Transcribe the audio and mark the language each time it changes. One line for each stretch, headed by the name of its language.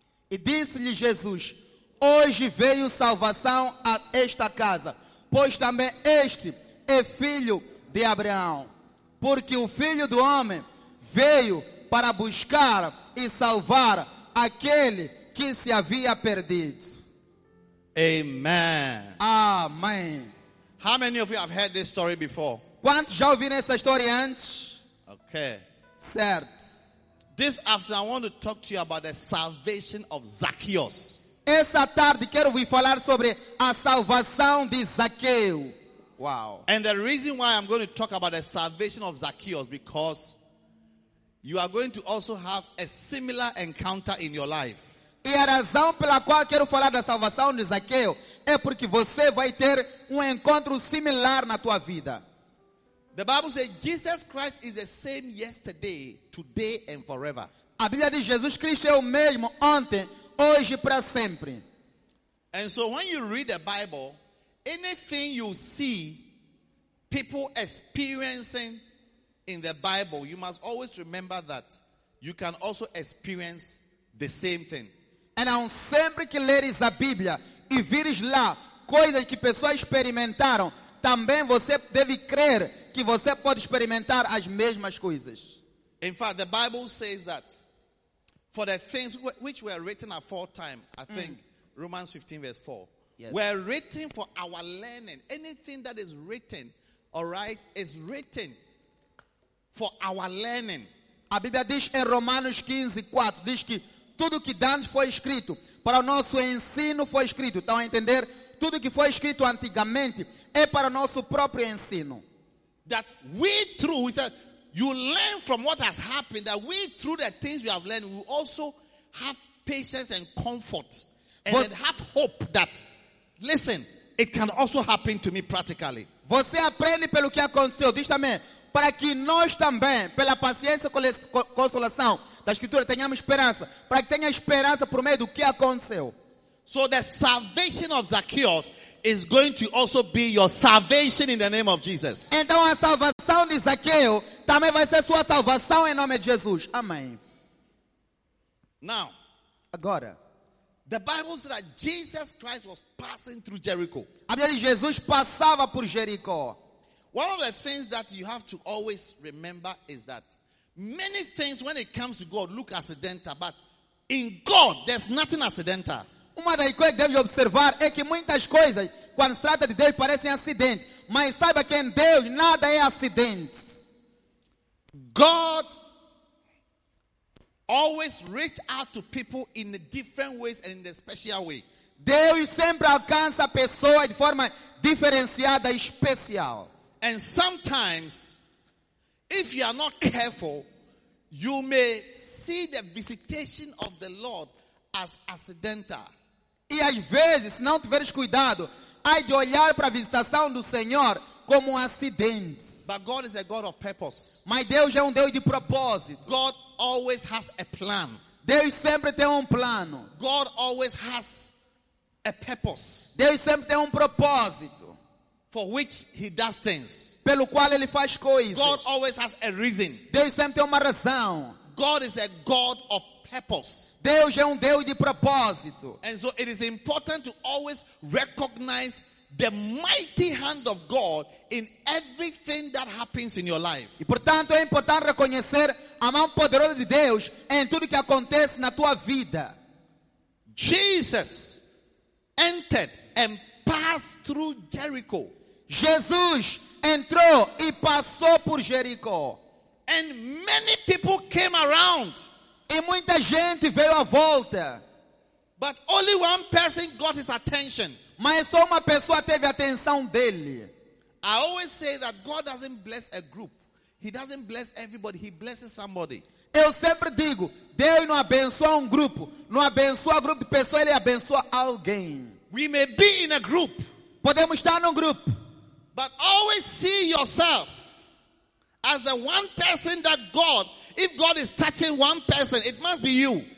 Portuguese: E disse-lhe Jesus: hoje veio salvação a esta casa, pois também este é filho de Abraão. Porque o Filho do Homem veio para buscar e salvar aquele que se havia perdido.
English: Amen.
Portuguese: Amém.
English: How many of you have heard this story before?
Portuguese: Quantos já ouviram essa história antes?
English: Okay.
Portuguese: Certo.
English: This afternoon I want to talk to you about the salvation of Zacchaeus.
Portuguese: Essa tarde quero vos falar sobre a salvação de Zaqueu.
English: Wow. And the reason why I'm going to talk about the salvation of Zacchaeus because you are going to also have a similar encounter in your life.
Portuguese: E a razão pela qual quero falar da salvação de Zaqueu é porque você vai ter encontro similar na tua vida.
English: The Bible says Jesus Christ is the same yesterday, today and forever.
Portuguese: A Bíblia diz Jesus Cristo é o mesmo ontem, hoje e para sempre.
English: And so when you read the Bible, anything you see people experiencing in the Bible, you must always remember that you can also experience the same thing.
Portuguese: Então, sempre que leres a Bíblia e vires lá coisas que pessoas experimentaram, também você deve crer que você pode experimentar as mesmas coisas.
English: In fact, the Bible says that for the things which were written aforetime, I think Romans 15 verse 4, yes, were written for our learning. Anything that is written, all right, is written for our learning.
Portuguese: A Bíblia diz em Romanos 15, 4, diz que tudo que antes foi escrito para o nosso ensino foi escrito. Então, a entender, tudo que foi escrito antigamente é para o nosso próprio ensino.
English: That we through, he said, you learn from what has happened, that we through the things we have learned, we also have patience and comfort. And
Portuguese: você,
English: have hope that, listen, it can also happen to me practically.
Portuguese: Você aprende pelo que aconteceu, diz também, para que nós também, pela paciência e consolação, da escritura, tenhamos esperança, para que tenha esperança por meio do que aconteceu.
English: So the salvation of Zacchaeus is going to also be your salvation in the name of Jesus.
Portuguese: Então a salvação de Zaqueu também vai ser sua salvação em nome de Jesus. Amém.
English: Now,
Portuguese: agora,
English: the Bible says that Jesus Christ was passing through Jericho.
Portuguese: A Bíblia diz que Jesus passava por Jericó.
English: One of the things that you have to always remember is that many things when it comes to God look accidental, but in God there's nothing accidental.
Portuguese: Uma das coisas que deve observar é que muitas coisas, quando se trata de Deus, parecem acidente. Mas saiba que em Deus nada é acidente.
English: God always reach out to people in different ways and in a special way.
Portuguese: Deus sempre alcança pessoas de forma diferenciada e especial.
English: And sometimes, if you are not careful, you may see the visitation of the Lord as accidental.
Portuguese: E às vezes, se não tiveres cuidado, há de olhar para a visitação do Senhor como um acidente.
English: But God is a God of purpose.
Portuguese: Mas Deus é um Deus de propósito.
English: God always has a plan.
Portuguese: Deus sempre tem um plano.
English: God always has a purpose.
Portuguese: Deus sempre tem um propósito.
English: For which he does things.
Portuguese: Pelo qual ele faz coisas.
English: God always has a reason.
Portuguese: Deus sempre tem uma razão.
English: God is a God of purpose.
Portuguese: Deus é um Deus de propósito.
English: And so it is important to always recognize the mighty hand of God in everything that happens in your life.
Portuguese: E portanto é importante reconhecer a mão poderosa de Deus em tudo que acontece na tua vida.
English: Jesus entered and passed through Jericho.
Portuguese: Jesus entrou e passou por Jericó.
English: And many people came around.
Portuguese: E muita gente veio à volta.
English: But only one person got his attention.
Portuguese: Mas só uma pessoa teve a atenção dele.
English: I always say that God doesn't bless a group. He doesn't bless everybody. He blesses somebody.
Portuguese: Eu sempre digo, Deus não abençoa grupo. Não abençoa grupo de pessoas, ele abençoa alguém.
English: We may be in a group.
Portuguese: Podemos estar num grupo.
English: But always see yourself as the one person that God, if God is touching one person, it must be you.